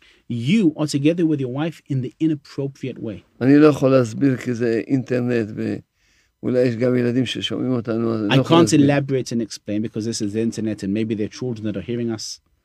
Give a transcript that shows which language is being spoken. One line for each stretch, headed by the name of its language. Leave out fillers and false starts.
English: You are together with your wife in the inappropriate way.
Hebrew: אני לא יכול להסביר כי זה אינטרנט ואולי יש גם ילדים ששומעים אותנו.
English: I can't elaborate and explain because this is the internet and maybe there are children that are hearing us.